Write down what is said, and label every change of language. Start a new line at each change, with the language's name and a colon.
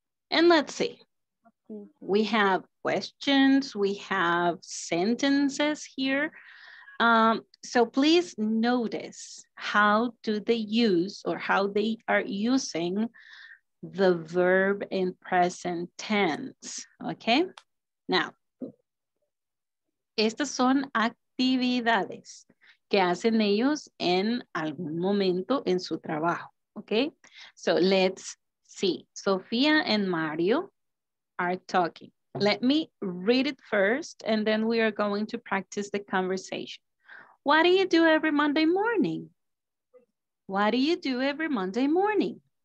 English: And let's see, we have questions, we have sentences here. So please notice how do they use or how they are using the verb in present tense, okay?
Spanish: Now, estas son actividades que hacen ellos en algún momento en su trabajo, okay?
English: So let's see, Sofía and Mario are talking. Let me read it first, and then we are going to practice the conversation. What do you do every Monday morning? What do you do every Monday morning?